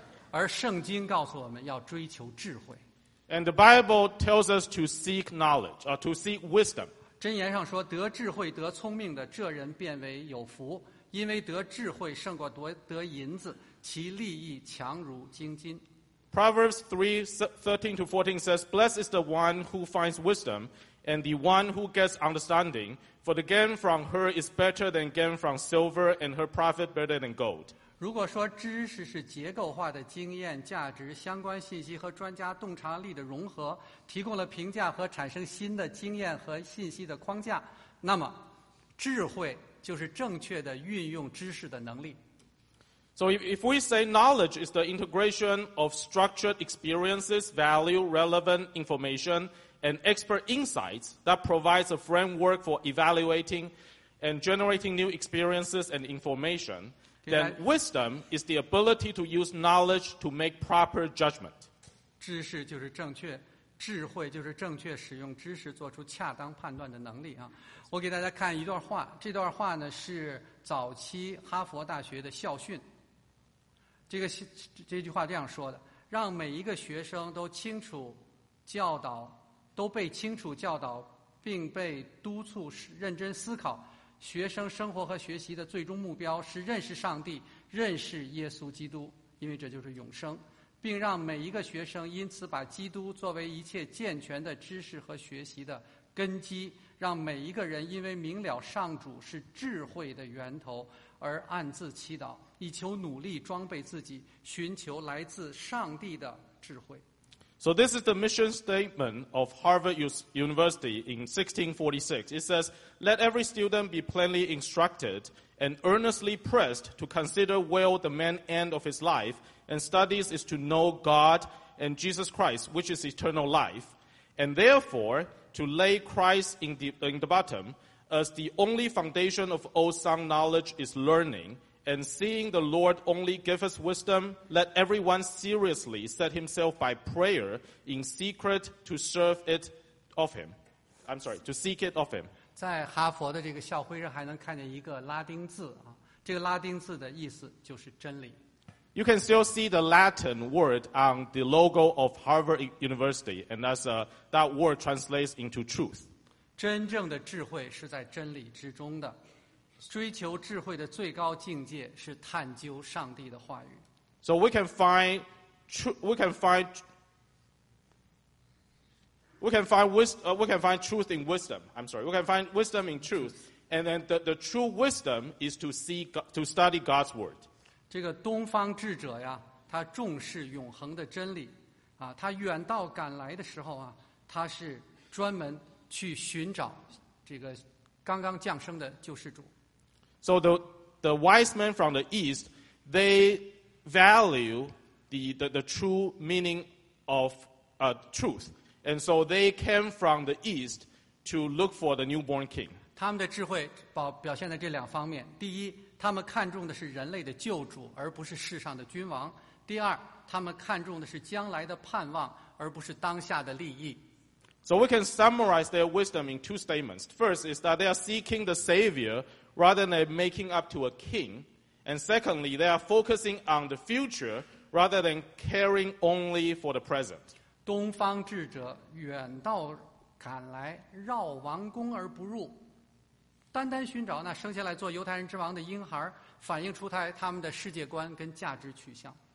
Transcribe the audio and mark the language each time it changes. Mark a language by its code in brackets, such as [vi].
[zh] 而圣经告诉我们要追求智慧。 [en] And the Bible tells us to seek knowledge, or to seek wisdom. [zh] 箴言上说，得智慧、得聪明的，这人变为有福，因为得智慧胜过得银子，其利益强如金金。 [en] Proverbs 3:13-14 says, Blessed is the one who finds wisdom, and the one who gets understanding, for the gain from her is better than gain from silver, and her profit better than gold. [zh] 如果说知识是结构化的经验、价值、相关信息和专家洞察力的融合，提供了评价和产生新的经验和信息的框架，那么智慧就是正确的运用知识的能力。 [en] So if we say knowledge is the integration of structured experiences, value, relevant information, and expert insights that provides a framework for evaluating and generating new experiences and information,Then wisdom is the ability to use knowledge to make proper judgment. [zh] 知识就是正确，智慧就是正确使用知识做出恰当判断的能力啊！我给大家看一段话，这段话呢是早期哈佛大学的校训。这句话这样说的：让每一个学生都清楚教导，都被清楚教导，并被督促认真思考。学生生活和学习的最终目标是认识上帝，认识耶稣基督，因为这就是永生，并让每一个学生因此把基督作为一切健全的知识和学习的根基，让每一个人因为明了上主是智慧的源头而暗自祈祷，以求努力装备自己，寻求来自上帝的智慧。 [en] So this is the mission statement of Harvard University in 1646. It says, let every student be plainly instructed and earnestly pressed to consider well the man end of his life and studies is to know God and Jesus Christ, which is eternal life, and therefore to lay Christ in the bottom, as the only foundation of all sound knowledge is learning, and seeing the Lord only give us wisdom, let everyone seriously set himself by prayer in secret to serve it of him. I'm sorry, to seek it of him. [zh] 在哈佛的这个校徽上还能看见一个拉丁字啊，这个拉丁字的意思就是真理。 [en] You can still see the Latin word on the logo of Harvard University, and that word translates into truth. [zh] 真正的智慧是在真理之中的。追求智慧的最高境界是探究上帝的话语。 [en] So we can find truth in wisdom. I'm sorry, we can find wisdom in truth, and then the true wisdom is to study God's word. [zh] 这个东方智者呀，他重视永恒的真理，啊，他远道赶来的时候啊，他是专门去寻找这个刚刚降生的救世主。 [en] So the wise men from the east, they value the true meaning of truth. And so they came from the east to look for the newborn king. [zh] 他们的智慧表现在这两方面。第一，他们看重的是人类的救主，而不是世上的君王。第二，他们看重的是将来的盼望，而不是当下的利益。 [en] So we can summarize their wisdom in two statements. First is that they are seeking the Savior rather than making up to a king. And secondly, they are focusing on the future rather than caring only for the present. [zh] 东方智者远道赶来，绕王宫而不入，单单寻找那生下来做犹太人之王的婴孩，反映出他们的世界观跟价值取向。